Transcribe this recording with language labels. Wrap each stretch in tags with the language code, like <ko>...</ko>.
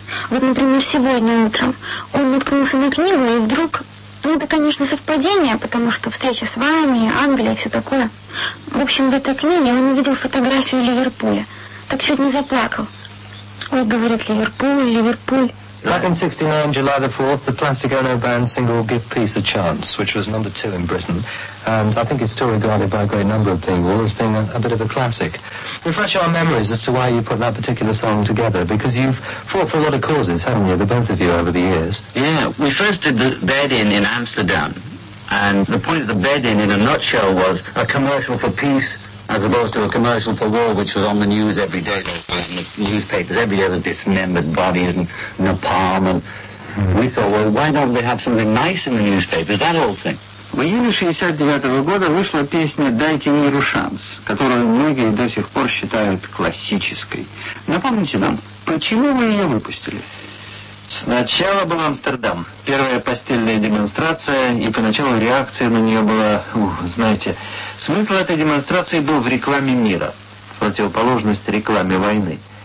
<ru>Вот, например, сегодня утром он наткнулся на книгу и вдруг... Ну, это, конечно, совпадение, потому что встреча с вами, Англия и все такое. В общем, в этой книге он увидел фотографию Ливерпуля. Так чуть не заплакал. Ой, говорит, Ливерпуль, Ливерпуль.</ru> <en>1969, July the 4th, the Plastic Ono Band single Give Peace a Chance, which was number two in Britain. And I think it's still regarded by a great number of people as being a bit of a classic. Refresh our memories as to why you put that particular song together, because you've fought for a lot of causes, haven't you, the both of you, over the years? Yeah, we first did the bed-in in Amsterdam. And the point of the bed-in, in a nutshell, was a commercial for peace as opposed to a commercial for war, which was on the news every day, in the newspapers, every day, the dismembered bodies and napalm. And we thought, well, why don't they have something nice in the newspapers, that whole thing?</en> <ru>В июне 69-го года вышла песня «Дайте миру шанс», которую многие до сих пор считают классической. Напомните нам, почему вы ее выпустили? Сначала был Амстердам. Первая постельная демонстрация, и поначалу реакция на нее была, знаете, смысл этой демонстрации был в рекламе мира, противоположность рекламе войны.</ru>